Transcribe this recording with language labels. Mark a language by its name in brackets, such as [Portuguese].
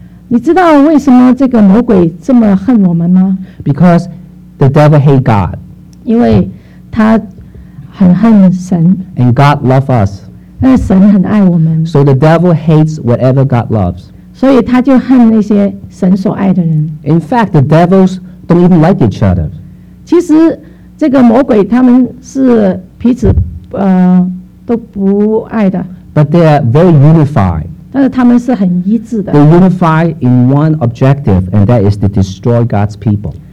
[Chinese] 你知道为什么这个魔鬼这么恨我们吗？ [English] Because the devil hate God. [Chinese] 因为他很恨神。 [English] And God love us. [Chinese] 但神很爱我们。 [English] So the devil hates whatever God loves. [Chinese] 所以他就恨那些神所爱的人。 [English] In fact, the devils don't even like each other. [Chinese] 其实这个魔鬼他们是彼此、都不爱的。 [English] But they are very unified. [Chinese] 但是他们是很一致的。 [English] They unify in one objective, and that is to destroy God's people.